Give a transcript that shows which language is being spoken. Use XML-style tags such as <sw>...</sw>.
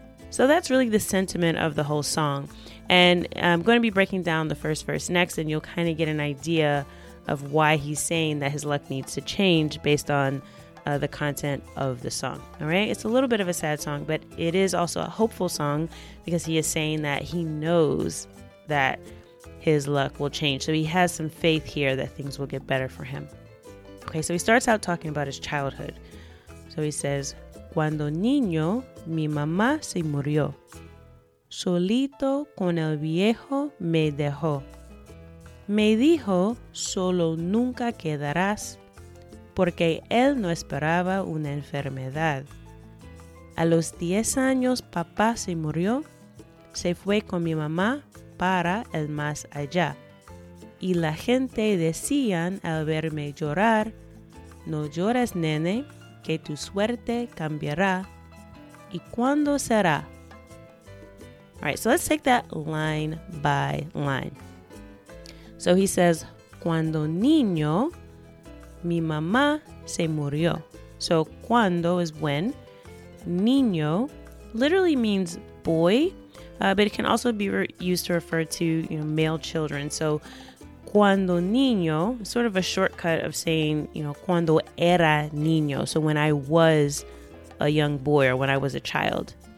<en>So that's really the sentiment of the whole song. And I'm going to be breaking down the first verse next, and you'll kind of get an idea of why he's saying that his luck needs to change based on the content of the song. All right, it's a little bit of a sad song, but it is also a hopeful song because he is saying that he knows that his luck will change. So he has some faith here that things will get better for him. Okay, so he starts out talking about his childhood. So he says,</en> <es>cuando niño, mi mamá se murió. Solito con el viejo me dejó. Me dijo, solo nunca quedarás, porque él no esperaba una enfermedad. A los 10 años papá se murió, se fue con mi mamá para el más allá. Y la gente decían al verme llorar, no llores, nene, que tu suerte cambiará. ¿Y cuándo será?</es> <en>All right, so let's take that line by line. So he says,</en> <es>cuando niño, mi mamá se murió.</es> <en>So cuando is when. Niño literally means boy, but it can also be used to refer to, you know, male children. So cuando niño, sort of a shortcut of saying, you know,</en> <es>cuando era niño.</es> <en>So when I was a young boy or when I was a child.</en>